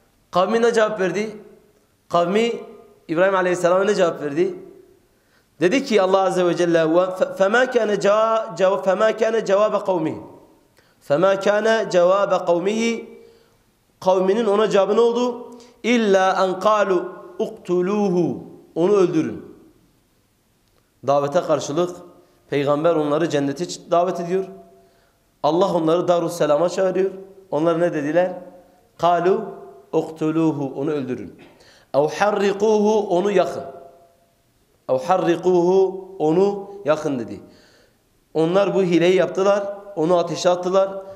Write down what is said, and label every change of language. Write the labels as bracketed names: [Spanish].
[Turkish] Kavmi ne cevap verdi? Kavmi İbrahim Aleyhisselam'a ne cevap verdi? Dedi ki Allah Azze ve Celle [Arabic] فَمَا كَانَ جَوَابَ قَوْمِهِ [Turkish] Kavminin ona cevabı ne oldu? [Arabic] اِلَّا اَنْ قَالُوا اُقْتُلُوهُ [Turkish] Onu öldürün. Davete karşılık Peygamber onları cennete davet ediyor. Allah onları Darusselam'a çağırıyor. Onlar ne dediler? [Arabic] قَالُوا اُقْتُلُوهُ [Turkish] Onu öldürün. [Arabic] اَوْ حَرِّقُوهُ [Turkish] Onu yakın. [Arabic] اَوْ حَرِّقُوهُ [Turkish] Onu yakın dedi. Onlar bu hileyi yaptılar. Onu ateşe attılar.